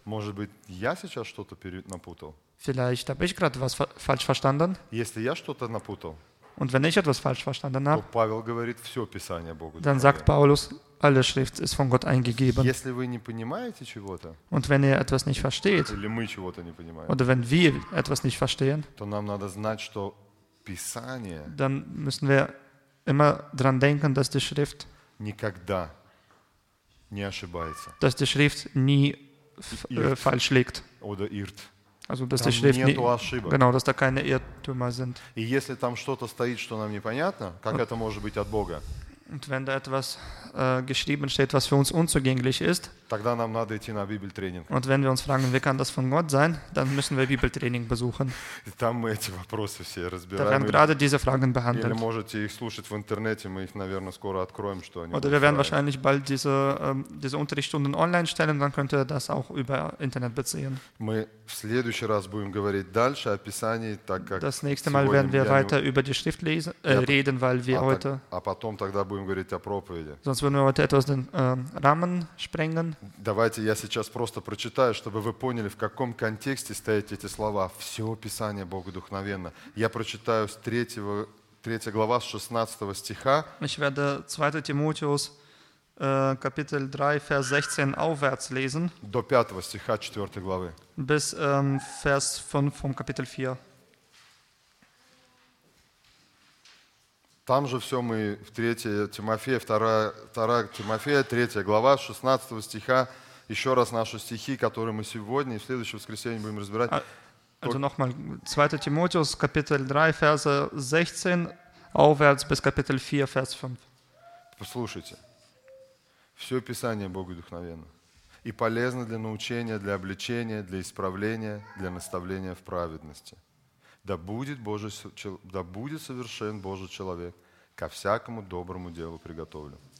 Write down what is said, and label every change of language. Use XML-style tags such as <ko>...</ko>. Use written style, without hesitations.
<ru>Может быть, я сейчас что-то перенапутал?</ru> <de>Vielleicht habe ich gerade was falsch verstanden.</de> <ru>Если я что-то напутал,</ru> <de>und wenn ich etwas falsch verstanden habe,</de> <ru>то Павел говорит, все Писание Богу.</ru> <de>Dann sagt Paulus, alle Schrift ist von Gott eingegeben.</de> <ru>Если вы не понимаете чего-то,</ru> <de>und wenn ihr etwas nicht versteht,</de> <ru>или мы чего-то не понимаем,</ru> <de>oder wenn wir etwas nicht verstehen,</de> <ru>то нам надо знать, что Писание,</ru> <de>dann müssen wir immer dran denken, dass die Schrift</de> <ru>никогда не ошибается.</ru> <de>Dass die Schrift nie falsch liegt. Oder irrt. Also, dass die Schrift</de> <ru>нету ошибок.</ru> <de>Genau, dass da keine Irrtümer sind.</de> <ru>И если там что-то стоит, что нам непонятно, как это может быть от Бога?</ru> <de>Und wenn da etwas geschrieben steht, was für uns unzugänglich ist,</de> <ru>тогда нам надо идти на Библиотренинг.</ru> <de>Und wenn wir uns fragen, wie kann das von Gott sein, dann müssen wir Bibeltraining besuchen.</de> <ru>Там мы эти вопросы все разбираем.</ru> <de>Da werden gerade diese Fragen behandelt.</de> <ru>Или можете их слушать в интернете, мы их, наверное, скоро откроем, что они.</ru> <de>Oder wir werden wahrscheinlich bald diese Unterrichtsstunden online stellen, dann könnt ihr das auch über Internet beziehen.</de> <ru>Мы в следующий раз будем говорить дальше о Писании, так как.</ru> <de>Das nächste Mal werden wir weiter über die Schrift lesen, reden, weil wir heute.</de> <ru>А потом тогда будем говорить о проповеди.</ru> <de>Sonst würden wir heute etwas den Rahmen sprengen.</de> <ru>Давайте я сейчас просто прочитаю, чтобы вы поняли, в каком контексте стоят эти слова. Все Писание Богу вдохновенно. Я прочитаю с 3 глава, с 16 стиха.</ru> <de>Ich werde 2. Timotheus Kapitel 3, Vers 16 aufwärts lesen.</de> <ru>До 5 стиха 4 главы.</ru> <de>Bis Vers 5 vom Kapitel 4.</de> <ru>Там же все мы в 3 Тимофея, 2 Тимофея, 3 глава, 16 стиха. Еще раз наши стихи, которые мы сегодня и в следующее воскресенье будем разбирать.</ru> <de>Also nochmal, 2. Timotheus, Kapitel 3, Verse 16, aufwärts bis Kapitel 4, Vers 5.</de> <ru>Послушайте. Все Писание Боговдухновенно и полезно для научения, для обличения, для исправления, для наставления в праведности. Да будет совершен Божий человек, ко всякому доброму делу приготовлен.</ru>